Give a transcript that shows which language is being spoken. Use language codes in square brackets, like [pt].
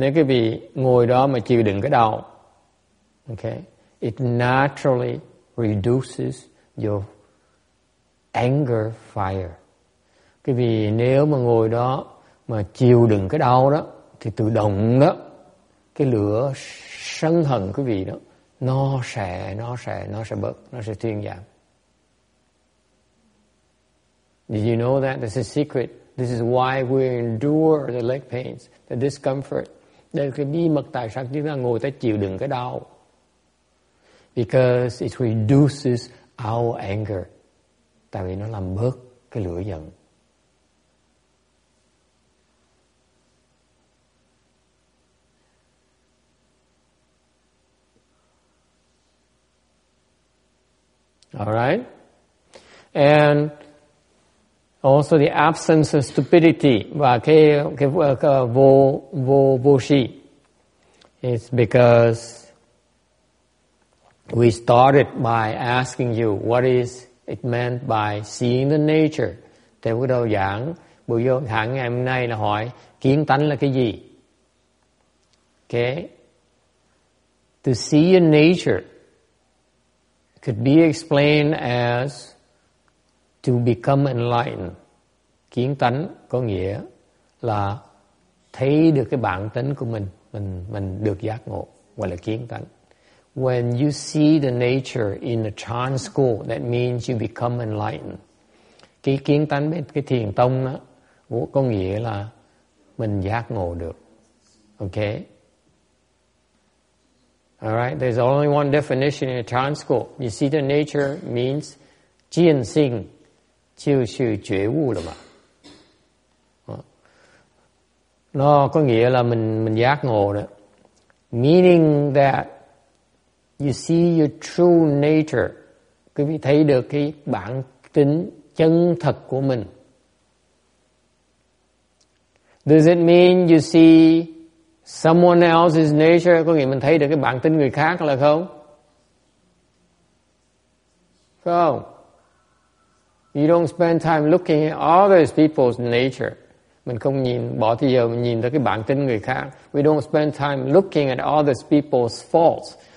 [vi] Nếu quý vị ngồi đó mà chịu đựng cái đau, okay, [en] it naturally reduces your anger fire. [vi] Quý vị nếu mà ngồi đó mà chịu đựng cái đau đó, thì tự động đó, cái lửa sân hận quý vị đó, nó sẽ bớt, nó sẽ thuyên giảm. [en] Did you know that? That's a secret. This is why we endure the leg pains, the discomfort. [vi] Đây là cái bí mật tại sao chúng ta ngồi ta chịu đựng cái đau. [en] Because it reduces our anger. [vi] Tại vì nó làm bớt cái lửa giận. [en] All right? And also the absence of stupidity [vi] và cái vô si [en] is because we started by asking you what is it meant by seeing the nature. [vi] Thầy bắt đầu giảng buổi vô hạng ngày hôm nay là hỏi kiến tánh là cái gì. [en] Okay, to see a nature could be explained as to become enlightened. [vi] Kiến tánh có nghĩa là thấy được cái bản tính của mình được giác ngộ, gọi là kiến tánh. [en] When you see the nature in the Chan school, that means you become enlightened. [vi] Cái kiến tánh bên cái thiền tông đó, có nghĩa là mình giác ngộ được. [en] Okay? Alright, there's only one definition in the Chan school. You see the nature means [zh] jian xing, jiu shi jue wu [vi] là mà. Nó có nghĩa là mình giác ngộ đó. [en] Meaning that you see your true nature. [vi] Quý vị thấy được cái bản tính chân thật của mình. [en] Does it mean you see someone else's nature? [vi] Có nghĩa mình thấy được cái bản tính người khác là không? Không. [en] You don't spend time looking at other people's nature. [vi] Mình không nhìn, bỏ thời giờ mình nhìn tới cái bản tính người khác. [en] We don't spend time looking at other people's faults.